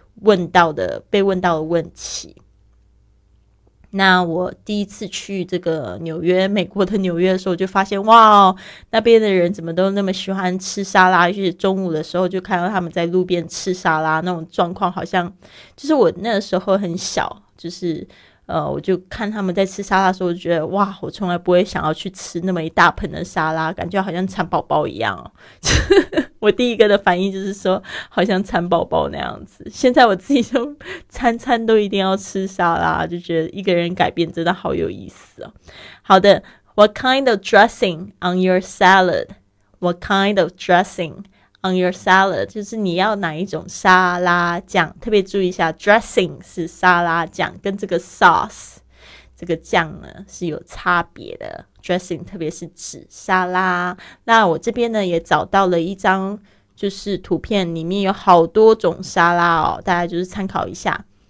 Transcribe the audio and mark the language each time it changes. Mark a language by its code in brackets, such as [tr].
[zh] 问到的被问到的问题。那我第一次去这个纽约，美国的纽约的时候，就发现哇，那边的人怎么都那么喜欢吃沙拉，就是中午的时候就看到他们在路边吃沙拉，那种状况好像就是我那时候很小，就是我就看他们在吃沙拉的时候，就觉得哇，我从来不会想要去吃那么一大盆的沙拉，感觉好像蚕宝宝一样。我第一个的反应就是说，好像蚕宝宝那样子。现在我自己就餐餐都一定要吃沙拉，就觉得一个人改变真的好有意思哦。好的 [en] ，What kind of dressing on your salad? What kind of dressing on your salad? [zh] 就是你要哪一种沙拉酱？特别注意一下 ，dressing 是沙拉酱，跟这个 sauce 这个酱呢是有差别的。 Dressing 特别是指沙拉。那我这边呢也找到了一张就是图片，里面有好多种沙拉哦，大家就是参考一下。